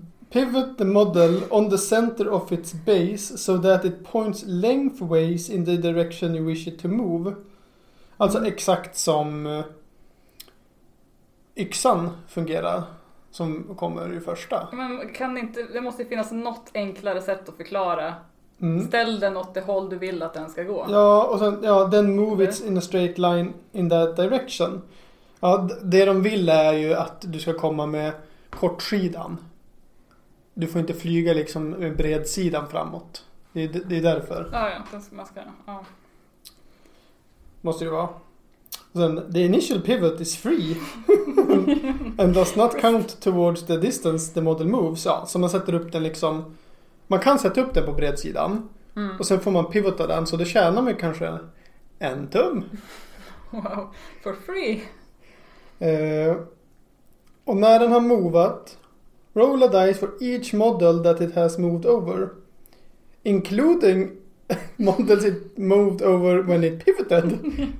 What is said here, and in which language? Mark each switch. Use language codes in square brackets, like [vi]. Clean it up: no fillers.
[en] Pivot the model on the center of its base so that it points lengthways in the direction you wish it to move. [sv] Alltså exakt som yxan fungerar, som kommer i första. Men kan inte, det måste ju finnas något enklare sätt att förklara. Ställ den åt det håll du vill att den ska gå. Ja, och sen, ja, [en] then move it in a straight line in that direction. [sv] Ja, det de vill är ju att du ska komma med kortsidan. Du får inte flyga liksom med bredsidan framåt. Det är därför. Ja, den ska man ska, ja. Måste ju vara. [en] Then, the initial pivot is free and does not count towards the distance the model moves. [sv] Ja, så man sätter upp den liksom, man kan sätta upp den på bredsidan och sen får man pivota den, så det tjänar man kanske en tum. [en] Wow, for free. [sv] Och när den har movat, [en] roll a dice for each model that it has moved over, including models it moved over when it pivoted.